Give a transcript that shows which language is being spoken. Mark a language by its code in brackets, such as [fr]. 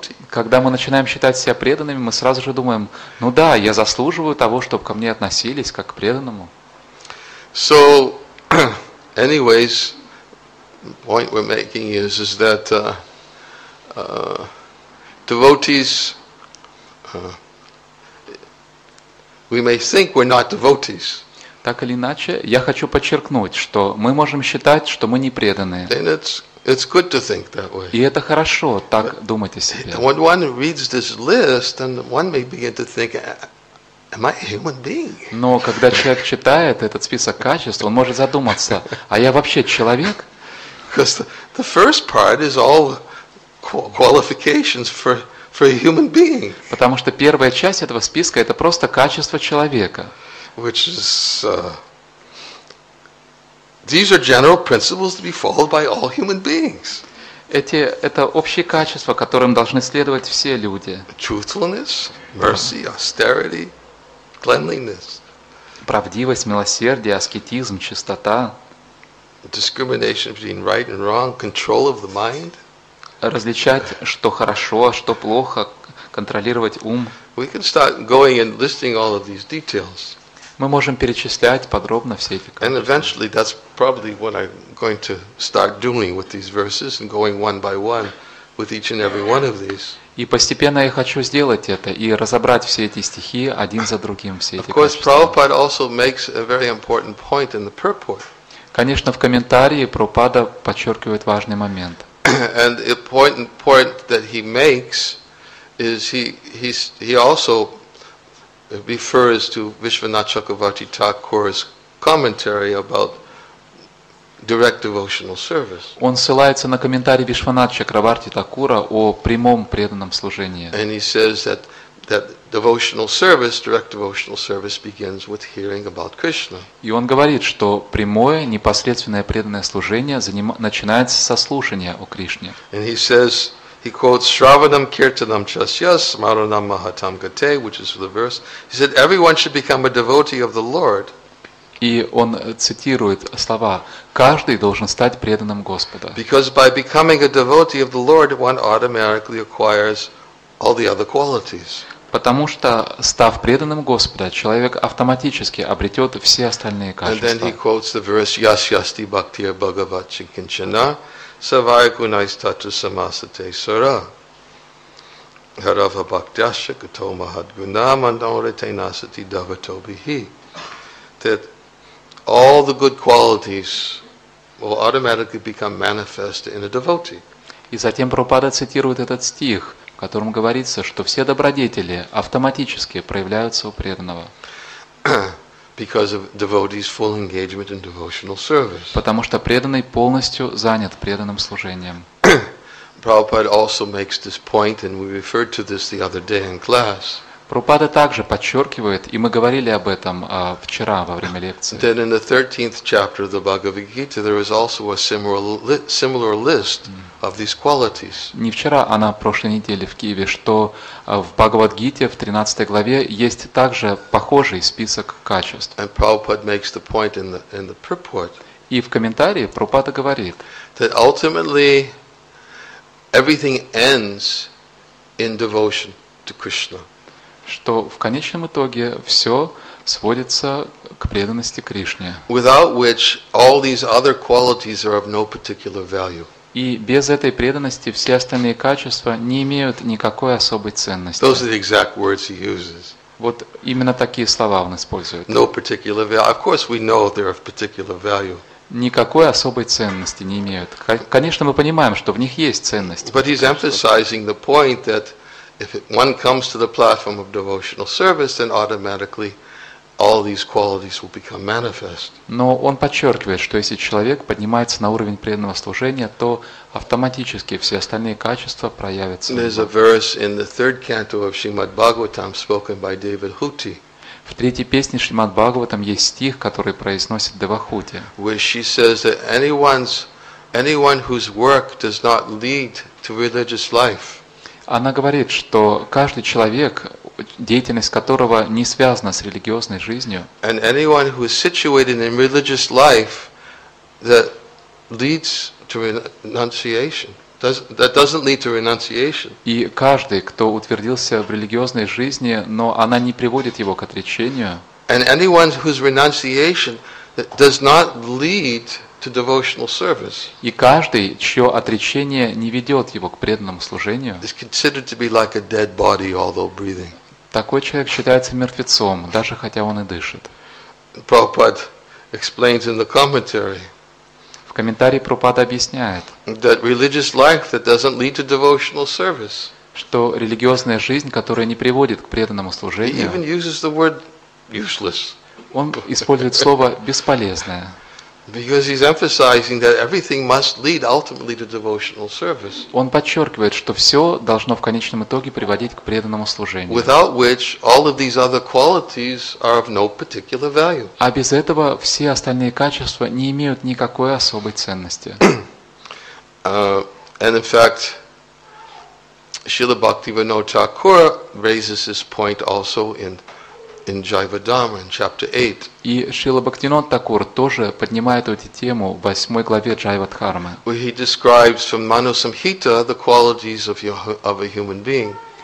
[ru] Когда мы начинаем считать себя преданными, мы сразу же думаем, ну да, я заслуживаю того, чтобы ко мне относились как к преданному. [en] So, anyways, point we're making is that devotees, we may think we're not devotees. [ru] Так или иначе, я хочу подчеркнуть, что мы можем считать, что мы не преданные. [en] And it's good to think that way. [ru] И это хорошо, так думать о себе. [en] When one reads this list, then one may begin to think, am I a human being? [ru] Но когда человек читает этот список качеств, он может задуматься, а я вообще человек? [en] Because the first part is all qualifications for a human being. [ru] Потому что первая часть этого списка это просто качества человека. [en] Which is these are general principles to be followed by all human beings. [ru] Это общие качества, которым должны следовать все люди. [en] Truthfulness, mercy, austerity, cleanliness. [ru] правдивость, милосердие, аскетизм, чистота. [en] Discrimination between right and wrong, control of the mind. [ru] Различать, что хорошо, что плохо, контролировать ум. [en] We can start going and listing all of these details. [ru] Мы можем перечислять подробно все эти качества. [en] And eventually, that's probably what I'm going to start doing with these verses and going one by one with each and every one of these. [ru] И постепенно я хочу сделать это и разобрать все эти стихи один за другим все эти. [en] Of course, Prabhupada also makes a very important point in the purport. [ru] Конечно, в комментарии Прабхупада подчеркивает важный момент. [en] And the important point that he makes is he also refers to Vishvanatha Chakravarti Thakur's commentary about direct devotional service. [ru] Он ссылается на комментарий Вишванатха Чакраварти Такура о прямом преданном служении. [en] And he says that devotional service, direct devotional service begins with hearing about Krishna. [ru] И он говорит, что прямое, непосредственное преданное служение начинается со слушания о Кришне. [en] And he says, he quotes [sa] Shravanam Kirtanam Chasya Smaranam Mahatam Gate, [en] which is the verse. He said everyone should become a devotee of the Lord. [ru] И он цитирует слова: каждый должен стать преданным Господа. [en] Because by becoming a devotee of the Lord, one automatically acquires all the other qualities. [ru] Потому что, став преданным Господа, человек автоматически обретет все остальные качества. [en] And then he quotes the verse [sa] Yasyasti Bhaktir Bhagavachi Kinchana Savayakunaistatu Samasate Sura Harava Bhaktyasya Kato Mahadguna Mandaurete Nasati Davatobihi. [en] That all the good qualities will automatically become manifest in a devotee. [ru] И затем Прабхупада цитирует этот стих, в котором говорится, что все добродетели автоматически проявляются у преданного. [en] Because of devotee's full engagement in devotional service. [ru] Потому что преданный полностью занят преданным служением. [en] Prabhupada also makes this point, and we referred to this the other day in class. [ru] Прабхупада также подчеркивает, и мы говорили об этом вчера во время лекции. [en] Then in the 13th chapter of the Bhagavad Gita, there is also a similar list of these qualities. [ru] Не вчера, а на прошлой неделе в Киеве, что в Бхагавад Гите в 13 главе есть также похожий список качеств. [en] And Prabhupada makes the point in the purport. [ru] И в комментарии Прабхупада говорит, [en] that ultimately everything ends in devotion to Krishna. [ru] Что в конечном итоге все сводится к преданности Кришне. [en] Without which all these other qualities are of no particular value. [ru] И без этой преданности все остальные качества не имеют никакой особой ценности. [en] Those are the exact words he uses. [ru] Вот именно такие слова он использует. [en] No particular value. Of course, we know they're of particular value. [ru] Никакой особой ценности не имеют. Конечно, мы понимаем, что в них есть ценность. [en] But he's emphasizing the point that if one comes to the platform of devotional service, then automatically all these qualities will become manifest. [ru] Но он подчеркивает, что если человек поднимается на уровень преданного служения, то автоматически все остальные качества проявятся. [en] There's a verse in the third canto of Srimad Bhagavatam spoken by David Hutti. [ru] В третьей песне Шримад Бхагаватам есть стих, который произносит Девахути. [en] Where she says that anyone whose work does not lead to religious life. [ru] Она говорит, что каждый человек, деятельность которого не связана с религиозной жизнью, [en] and anyone who is situated in religious life that leads to renunciation, that doesn't lead to renunciation. [ru] И каждый, кто утвердился в религиозной жизни, но она не приводит его к отречению. [en] And anyone whose renunciation does not lead to devotional service. [ru] И каждый, чье отречение не ведет его к преданному служению, [en] is considered to be like a dead body, although breathing. [ru] Такой человек считается мертвецом, даже хотя он и дышит. [en] Prabhupada explains in the commentary. [ru] В комментарии Прабхупада объясняет, [en] that religious life that doesn't lead to devotional service. [ru] Что религиозная жизнь, которая не приводит к преданному служению, [en] he even uses the word useless. [ru] Он использует слово бесполезное. [en] Because he's emphasizing that everything must lead ultimately to devotional service. [ru] Он подчеркивает, что все должно в конечном итоге приводить к преданному служению. [en] Without which all of these other qualities are of no particular value. [ru] А без этого все остальные качества не имеют никакой особой ценности. [en] And in fact, Srila Bhaktivinoda Thakura raises this point also in in Jivadharma in chapter 8. [ru] И Шрила Бхактивинода Тхакур тоже поднимает эту тему в 8 главе Jivadharma. [en] Where he describes from Manu Samhita the qualities of a human being.